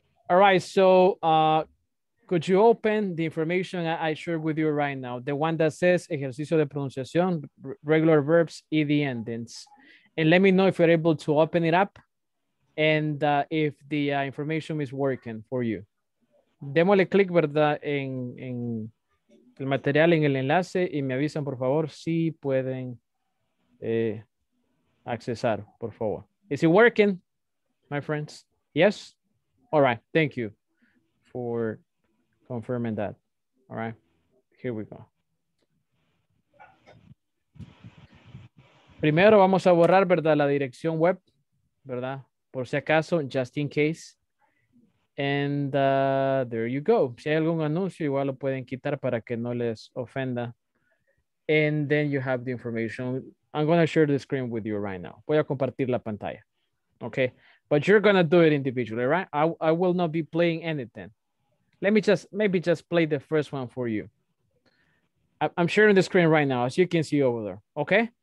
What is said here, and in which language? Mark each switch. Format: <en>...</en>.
<en>All right, so could you open the information I shared with you right now? The one that says</en> <es>ejercicio de pronunciación,</es> <en>regular verbs, ed endings. And let me know if you're able to open it up. And if the information is working for you,</en> <es>démosle clic, ¿verdad? En el material, en el enlace, y me avisan, por favor, si pueden accesar, por favor.</es> <en>Is it working, my friends? Yes? All right, thank you for confirming that. All right, here we go.</en> <es>Primero vamos a borrar, ¿verdad? La dirección web, ¿verdad? Por si acaso,</es> <en>just in case. And there you go.</en> <es>Si hay algún anuncio, igual lo pueden quitar para que no les ofenda.</es> <en>And then you have the information. I'm going to share the screen with you right now.</en> <es>Voy a compartir la pantalla.</es> <en>Okay. But you're going to do it individually, right? I will not be playing anything. Let me just, maybe just play the first one for you. I'm sharing the screen right now, as you can see over there. Okay.</en>